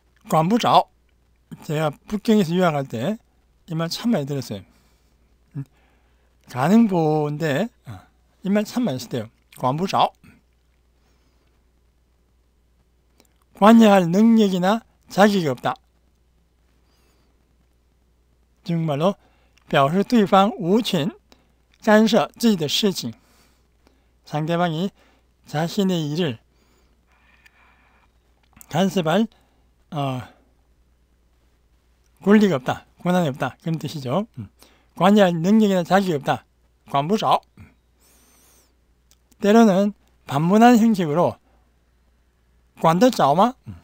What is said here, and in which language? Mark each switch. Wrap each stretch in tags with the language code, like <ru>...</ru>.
<ko>관부자오. 제가 북경에서 유학할 때 이 말 참 많이 들었어요. 가능보인데 이 말 참 많이 쓰대요. 관부자오. 관여할 능력이나 자격이 없다. 중국말로</ko> <zh>表示对方无权干涉自己的事情.</zh> <ko>상대방이 자신의 일을 간섭할 권리가 없다. 권한이 없다. 그런 뜻이죠. 관여할 능력이나 자격이 없다. 관부少. 때로는 반문하는 형식으로 관도少吗?</ko>